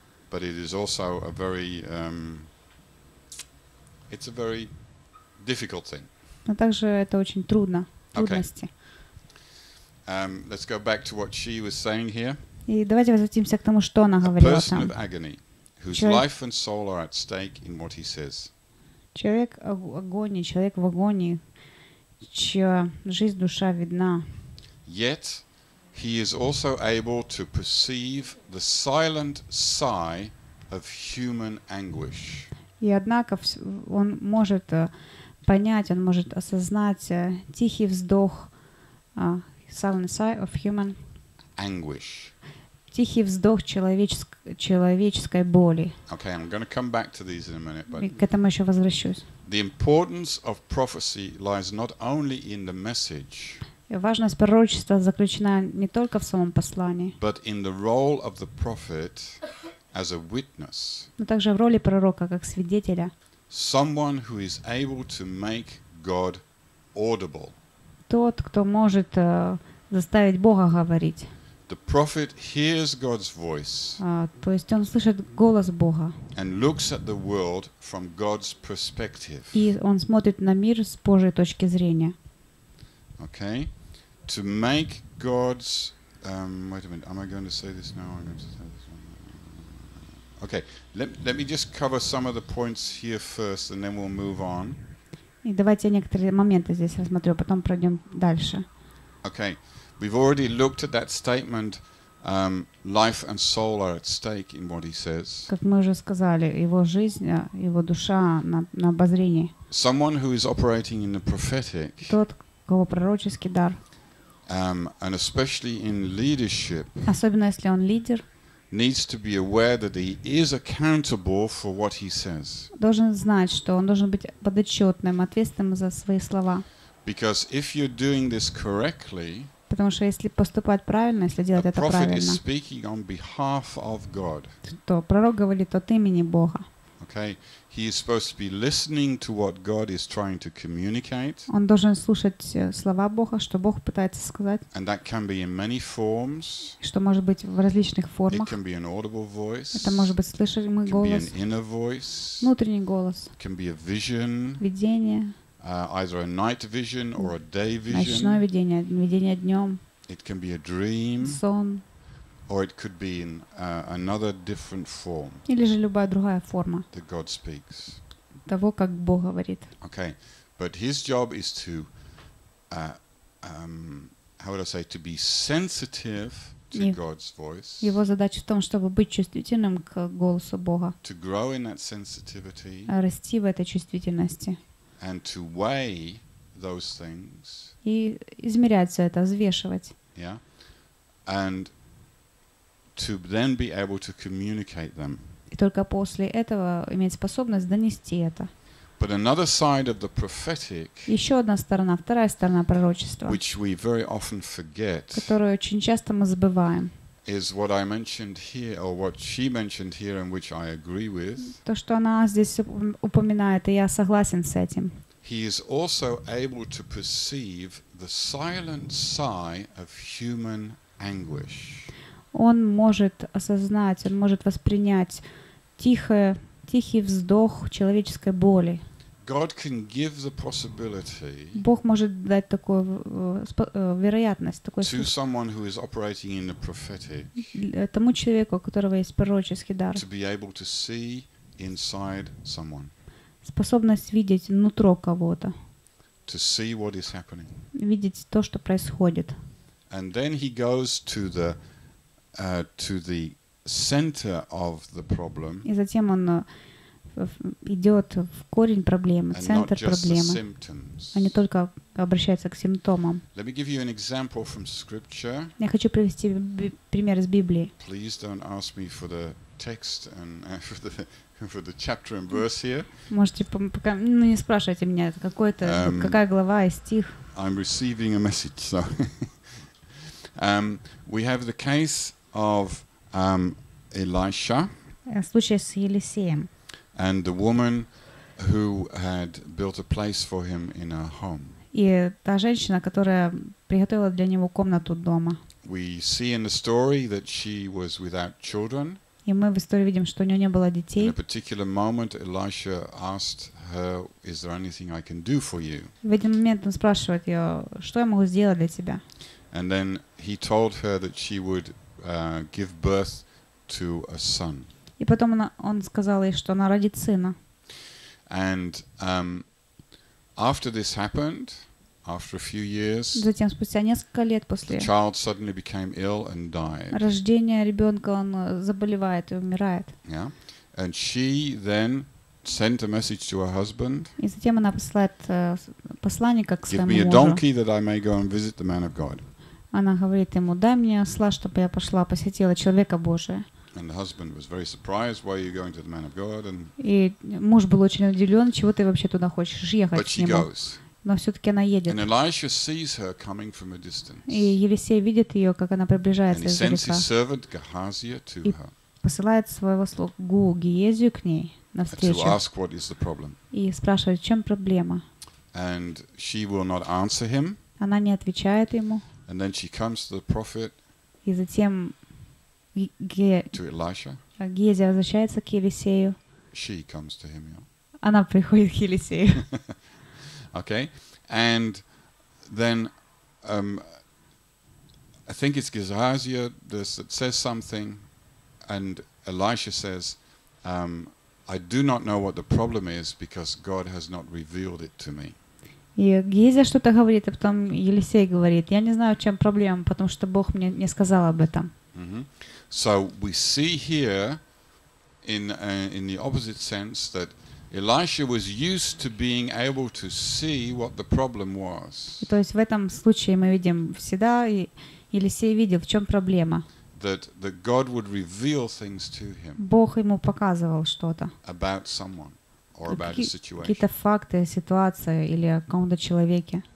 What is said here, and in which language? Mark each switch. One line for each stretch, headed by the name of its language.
English: But it is also a very it's a very difficult thing.
Russian: Но также это очень трудно, трудности.
English: Okay. Let's go back to what she was saying here.
Russian: И давайте возвратимся к тому, что она говорила там.
English: A person of agony. life and soul are at stake in what he says.
Russian: Человек в агонии, человек в агонии, чья жизнь, душа видна.
English: Yet he is also able to perceive the silent sigh of human anguish.
Russian: И однако он может понять, он может осознать тихий вздох,
English: silent sigh of human anguish.
Russian: Тихий вздох человеческой боли.
English: Okay, I'm going to come back to these in a minute, but
Russian: к этому еще возвращусь.
English: The importance of prophecy lies not only in the message.
Russian: Важность пророчества заключена не только в самом послании,
English: but in the role of the prophet as a witness.
Russian: Но также в роли пророка как свидетеля.
English: Someone who is able to make God audible.
Russian: Тот, кто может заставить Бога говорить.
English: The prophet hears God's voice.
Russian: То есть он слышит голос Бога.
English: And looks at the world from God's perspective.
Russian: И он смотрит на мир с Божьей точки зрения.
English: Okay. To make God's wait a minute. Am I going to say this now? I'm going to say this. Okay. Let me just cover some of the points here first and then we'll move on.
Russian: И давайте некоторые моменты здесь рассмотрю, потом пройдем дальше.
English: Okay. We've already looked at that statement, life and soul are at stake in what he says.
Russian: Как мы уже сказали, его жизнь, его душа на обозрении.
English: Someone who is operating in the prophetic.
Russian: Тот, кого пророческий дар.
English: And especially in leadership.
Russian: Особенно если он лидер.
English: Needs to be aware that he is accountable for what he says.
Russian: Должен знать, что он должен быть подотчетным, ответственным за свои слова.
English: Because if you're doing this correctly,
Russian: потому что если поступать правильно, если делать это правильно, то пророк говорит от имени Бога.
English: Okay. He is supposed to be listening to what God is trying to communicate.
Russian: Он должен слушать слова Бога, что Бог пытается сказать.
English: And that can be in many forms.
Russian: Что может быть в различных формах.
English: It can be an audible voice.
Russian: Это может быть слышимый голос.
English: It can be an inner voice.
Russian: Внутренний голос.
English: It can be a vision.
Russian: Видение.
English: Either a night vision or a day vision.
Russian: Ночное видение, видение днем.
English: It can be a dream.
Russian: Сон.
English: Or it could be in another different form.
Russian: Или же любая другая форма.
English: That God speaks.
Russian: Того, как Бог говорит.
English: Okay, but his job is to, how would I say, to be sensitive to God's voice.
Russian: Его задача в том, чтобы быть чувствительным к голосу Бога.
English: To grow in that sensitivity.
Russian: Расти в этой чувствительности.
English: And to weigh those things.
Russian: И измерять все это, взвешивать.
English: Yeah. And to then be able to communicate them.
Russian: И только после этого иметь способность донести это.
English: But another side of the prophetic.
Russian: Еще одна сторона, вторая сторона пророчества.
English: Which we very often forget.
Russian: Которую очень часто мы забываем.
English: Is what I mentioned here, or what she mentioned here, and which I agree with.
Russian: То, что она здесь упоминает, и я согласен с этим.
English: He is also able to perceive the silent sigh of human anguish.
Russian: Он может осознать, он может воспринять тихий вздох человеческой боли.
English: God can give the possibility.
Russian: Бог может дать такую вероятность, такой.
English: To someone who is operating in the prophetic.
Russian: Тому человеку, у которого есть пророческий дар.
English: To be able to see inside someone.
Russian: Способность видеть нутро кого-то.
English: To see what is happening.
Russian: Видеть то, что происходит.
English: And then he goes to the center of the problem.
Russian: И затем он идет в корень проблемы, центр проблемы, а не только обращается к симптомам.
English: Let me give you an example from scripture.
Russian: Я хочу привести пример из Библии.
English: Please don't ask me for the text and for the chapter and verse here.
Russian: Можете пока, ну не спрашивайте меня, какой-то какая глава и стих.
English: I'm receiving a message, so we have the case of Elisha.
Russian: Случай с Елисеем.
English: And the woman who had built a place for him in her home.
Russian: И та женщина, которая приготовила для него комнату дома.
English: We see in the story that she was without children.
Russian: И мы в истории видим, что у нее не было детей.
English: In a particular moment, Elisha asked her, "Is there anything I can do for you?"
Russian: В один момент он спрашивает ее, что я могу сделать для тебя.
English: And then he told her that she would give birth to a son.
Russian: И потом он сказал ей, что она родит сына.
English: And after this happened, after a few years,
Russian: затем спустя несколько лет после,
English: the child suddenly became ill and died.
Russian: Рождение ребенка, он заболевает и умирает.
English: Yeah. And she then sent a message to her husband.
Russian: И затем она посылает посланника к своему мужу.
English: Give me a donkey that I may go and visit the man of God.
Russian: Она говорит ему: дай мне осла, чтобы я пошла посетила человека Божия.
English: And the husband was very surprised, why are you going to the man of God? And
Russian: и муж был очень удивлен, чего ты вообще туда хочешь ехать?
English: But she goes.
Russian: Но все-таки она едет.
English: And Elisha sees her coming from a distance.
Russian: И Елисей видит ее, как она приближается издалека.
English: And he sends his servant Gehazi to her.
Russian: Посылает своего слугу Гиезию к ней навстречу.
English: To ask what is the problem.
Russian: И спрашивает, в чем проблема.
English: And she will not answer him.
Russian: Она не отвечает ему.
English: And then she comes to the prophet.
Russian: И затем Гиезия возвращается к Елисею.
English: She comes to him, yeah.
Russian: Она приходит к Елисею.
English: Okay. And then I think it's Gehazi that says something. And Elisha says, I do not know what the problem is because God has not revealed it to me.
Russian: И Гиезия что-то говорит, а потом Елисей говорит, я не знаю, в чем проблема, потому что Бог мне не сказал об этом. Mm-hmm.
English: So we see here in the opposite sense that Elisha was used to being able to see what the problem was.
Russian: То есть в этом случае мы видим всегда, и Елисей видел, в чем проблема.
English: That God would reveal things to him.
Russian: Бог ему показывал что-то.
English: About someone or about a situation.
Russian: Какие-то факты, ситуация или о каком-то человеке.